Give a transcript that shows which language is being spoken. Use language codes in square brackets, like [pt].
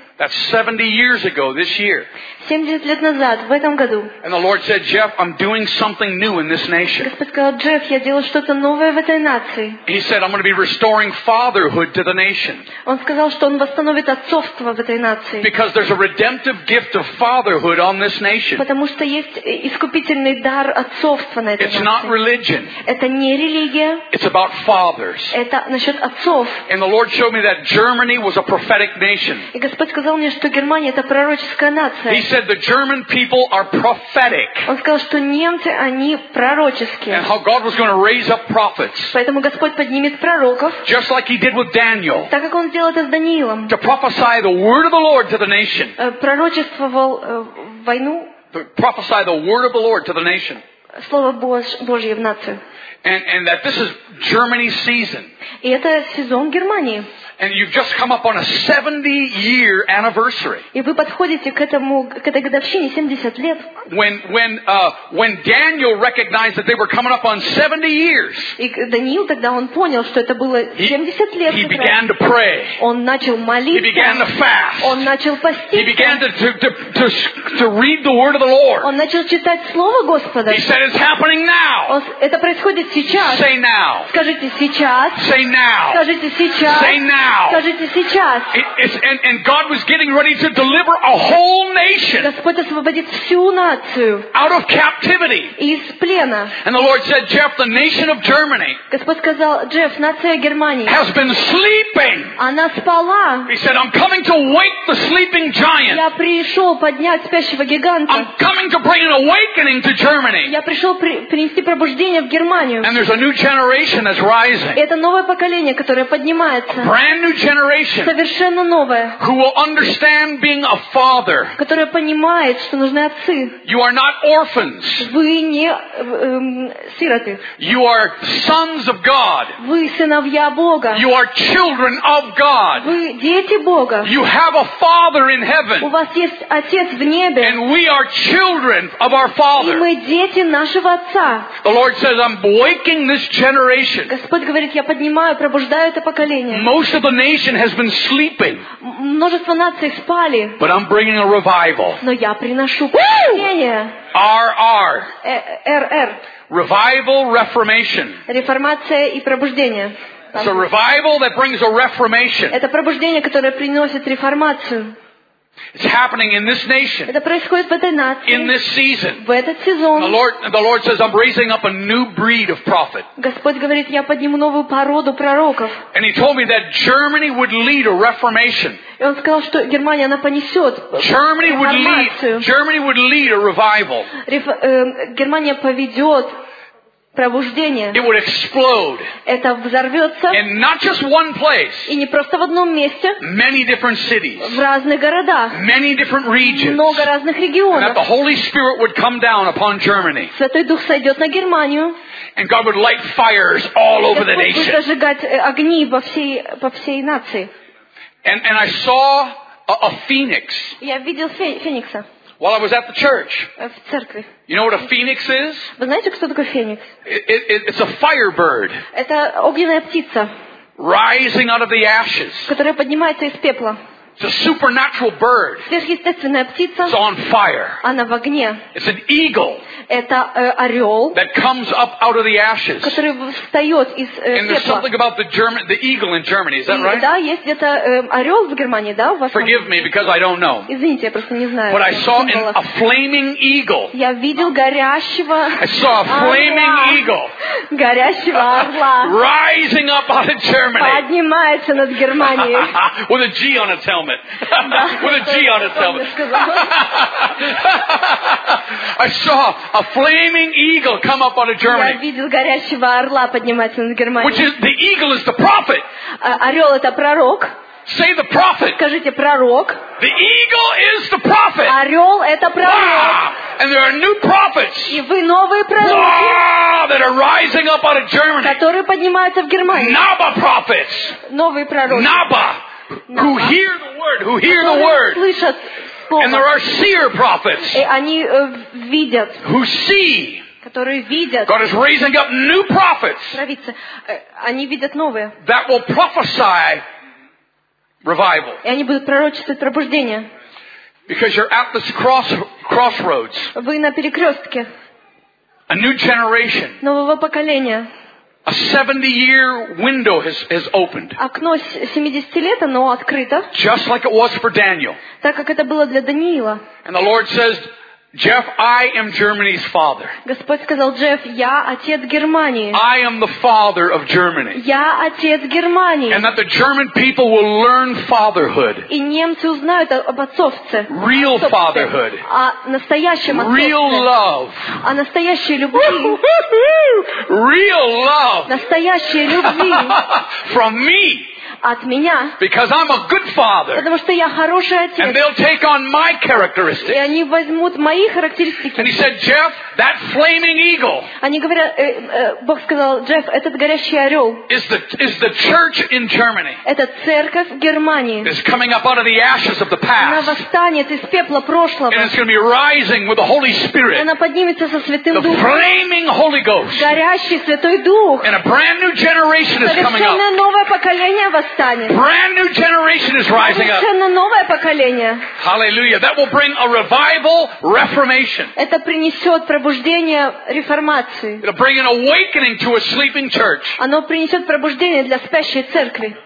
[en] That's 70 years ago this year. [ru] 70 лет назад, в этом году. [en] And the Lord said, Jeff, I'm doing something new in this nation. [ru] Господь сказал, Джефф, я делаю что-то новое в этой нации. [en] He said, I'm going to be restoring fatherhood to the nation. [ru] Он сказал, что он восстановит отцовство в этой нации. [en] Because there's a redemptive gift of fatherhood on this nation. [ru] Потому что есть искупительный дар отцовства на этой нации. [en] It's not religion. [ru] Это не религия. [en] It's about fathers. [ru] Это насчет отцов. [en] And the Lord showed me that Germany was a prophetic nation. [ru] И Господь сказал мне, что Германия это пророческая нация. [en] He said the German people are prophetic. [ru] Он сказал, что немцы они пророческие. [en] And how God was going to raise up prophets. [ru] Поэтому Господь поднимет пророков. [en] Just like he did with Daniel. [ru] Так как он сделал это с Даниилом. [en] To prophesy the word of the Lord to the nation. [ru] Пророчествовал войну. [en] To prophesy the word of the Lord to the nation. [ru] Слово Божье в нацию. [en] And that this is Germany's season. [ru] И это сезон Германии. [en] And you've just come up on a 70-year anniversary. [ru] И вы подходите к этому к этой годовщине 70 лет. [en] When Daniel recognized that they were coming up on 70 years. [ru] И Даниил тогда он понял, что это было 70 лет. [en] He began to pray. [ru] Он начал молиться. [en] He began to fast. [ru] Он начал поститься. [en] He began to read the word of the Lord. [ru] Он начал читать слово Господа. [en] He said, "It's happening now." [ru] Это происходит сейчас. [en] Say now. [ru] Скажите сейчас. [en] Say now. [ru] Скажите сейчас. [en] Say now. [ru] Скажите сейчас. [en] And God was getting ready to deliver a whole nation. [ru] Господь освободит всю нацию. [en] Out of captivity. [ru] Из плена. [en] And the Lord said, Jeff, the nation of Germany. [ru] Господь сказал, Джефф, нация Германии. [en] Has been sleeping. [ru] Она спала. [en] He said, I'm coming to wake the sleeping giant. [ru] Я пришел поднять спящего гиганта. [en] I'm coming to bring an awakening to Germany. [ru] Я пришел принести пробуждение в Германию. [en] And there's a new generation that's rising. [ru] Это новое поколение, которое поднимается. [en] Brand new generation, [ru] совершенно новое, [en] who will understand being a father, [ru] которая понимает, что нужны отцы. [en] You are not orphans, [ru] вы не сироты. [en] You are sons of God, [ru] вы сыновья Бога. [en] You are children of God, [ru] вы дети Бога. [en] You have a father in heaven, [ru] у вас есть отец в небе. [en] And we are children of our father, [ru] и мы дети нашего отца. [en] The Lord says, I'm waking this generation. [ru] Господь говорит, я поднимаю, пробуждаю это поколение. [en] Most of the nation has been sleeping. [ru] Множество наций спали. [en] But I'm bringing a revival. [ru] Но я приношу пробуждение. [en] RR. [ru] RR. [en] Revival, reformation. [ru] Реформация и пробуждение. [en] It's a revival that brings a reformation. [ru] Это пробуждение, которое приносит реформацию. [en] It's happening in this nation. [ru] Это происходит в этой нации. [en] In this season. [ru] В этот сезон. [en] The Lord says, I'm raising up a new breed of prophet. [ru] Господь говорит, я подниму новую породу пророков. [en] And he told me that Germany would lead a reformation. [ru] И он сказал, что Германия она понесет [en] Germany would lead a revival. [ru] Германия поведет пробуждение. [en] It would explode. [ru] Это взорвется. [en] And not just one place. [ru] И не просто в одном месте. [en] Many different cities. [ru] В разных городах. [en] Many different regions. [ru] Много разных регионов. [en] And that the Holy Spirit would come down upon Germany. [ru] Святой Дух сойдет на Германию. [en] And God would light fires all over the nation. [ru] Будет зажигать огни по всей нации. [en] And I saw a phoenix. [ru] Я видел феникса. [en] While I was at the church. [ru] В церкви. [en] You know what a phoenix is? [ru] Вы знаете, кто такой феникс? [en] It's a firebird. [ru] Это огненная птица. [en] Rising out of the ashes. [ru] Которая поднимается из пепла. [en] It's a supernatural bird. [ru] Сверхъестественная птица. [en] It's on fire. [ru] Она в огне. [en] It's an eagle. [ru] Это орёл. [en] That comes up out of the ashes. [ru] Который встаёт из пепла. [en] And there's something about the eagle in Germany, is that right? [ru] Да, есть где-то орёл в Германии, да, у вас. [en] Forgive me because I don't know. [ru] Извините, я просто не знаю. [en] But I saw a flaming eagle. [ru] Я видел горящего. [en] I saw a flaming eagle. [ru] Горящего орла. [en] Rising up out of Germany. [ru] Поднимается над Германией. [en] With a G on its helmet. With a G on its helmet. I saw a flaming eagle come up out of Germany. [ru] Я видел горящего орла подниматься над Германией. [en] Which is the eagle is the prophet. [ru] Орел это пророк. [en] Say the prophet. [ru] Скажите пророк. [en] The eagle is the prophet. [ru] Орел это пророк. [en] And there are new prophets. [ru] И вы новые пророки. [en] That are rising up out of Germany. [ru] Которые поднимаются в Германии. [en] Naba prophets. [ru] Новые пророки. [en] Naba. Who hear the word? Who hear the word? And there are seer prophets. [ru] Они видят. [en] Who see? [ru] Которые видят. [en] God is raising up new prophets. [ru] Они видят новые. [en] That will prophesy revival. [ru] И они будут пророчествовать пробуждение. [en] Because you're at this crossroads. [ru] Вы на перекрестке. [en] A new generation. [ru] Нового поколения. [en] A 70-year window has opened. [ru] Окно 70-летие, оно открыто. [en] Just like it was for Daniel. [ru] Так как это было для Даниила. [en] And the Lord says, Jeff, I am Germany's father. [ru] Господь сказал: "Джефф, я отец Германии." [en] I am the father of Germany. [ru] Я отец Германии. [en] And that the German people will learn fatherhood. [ru] И немцы узнают об отцовстве. [en] Real fatherhood. [ru] О настоящем отцовстве. [en] Real love. [ru] О настоящей любви. [en] Real love. [ru] Настоящей любви. [en] From me. [ru] От меня. [en] Because I'm a good father. [ru] Потому что я хороший отец. [en] And they'll take on my characteristics. [ru] И они возьмут мои характеристики. [en] And he said, Jeff, that flaming eagle. [ru] Они говорят, Бог сказал, Джефф, этот горящий орел. [en] Is the church in Germany. [ru] Это церковь в Германии. [en] Is coming up out of the ashes of the past. [ru] Она восстанет из пепла прошлого. [en] And it's going to be rising with the Holy Spirit. [ru] Она поднимется со Святым Духом. [en] The flaming Holy Ghost. [ru] Горящий Святой Дух. [en] And a brand new generation is coming up. [ru] Совершенно новое поколение. [en] Brand new generation is rising up. [ru] Совершенно новое поколение. [en] Hallelujah! That will bring a revival, reformation. [ru] Это принесет пробуждение реформации. [en] It'll bring an awakening to a sleeping church. [ru] Оно принесет пробуждение для спящей церкви.